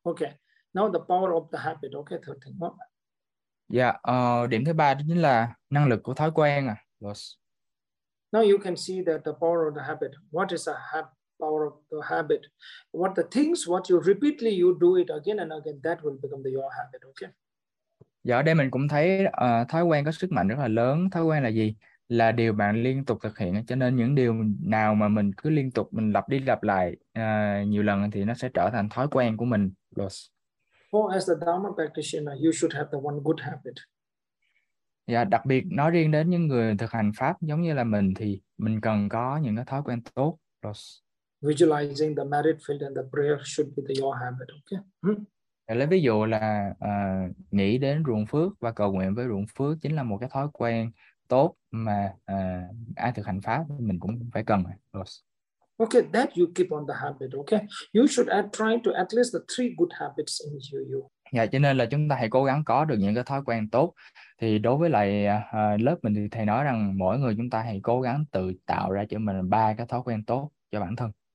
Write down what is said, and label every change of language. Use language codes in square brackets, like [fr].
[en] Okay, now the power of the habit. Okay, third thing. What? [vi] Điểm thứ ba đó chính là năng lực của thói quen à. Los. [en] Now you can see that the power of the habit. What is the power of the habit? What the things? What you repeatedly you do it again and again. That will become the your habit. Okay. [vi] Giờ ở đây mình cũng thấy thói quen có sức mạnh rất là lớn. Thói quen là gì? Là điều bạn liên tục thực hiện, cho nên những điều nào mà mình cứ liên tục mình lặp đi lặp lại nhiều lần thì nó sẽ trở thành thói quen của mình. Los. [en] Or as the Dharma practitioner, you should have the one good habit. [vi] Dạ, đặc biệt nói riêng đến những người thực hành pháp giống như là mình thì mình cần có những cái thói quen tốt. Los. [en] Visualizing the merit field and the prayer should be the your habit. Okay. [vi] Lấy ví dụ là nghĩ đến ruộng phước và cầu nguyện với ruộng phước chính là một cái thói quen tốt mà ai thực hành pháp mình cũng phải cần. [en] Okay, that you keep on the habit. Okay, you should add try to at least the three good habits in you. [vi] Dạ, cho nên là chúng ta hãy cố gắng có được những cái thói quen tốt. Thì đối với lại lớp mình thì thầy nói rằng mỗi người chúng ta hãy cố gắng tự tạo ra cho mình ba cái thói quen tốt cho bản thân.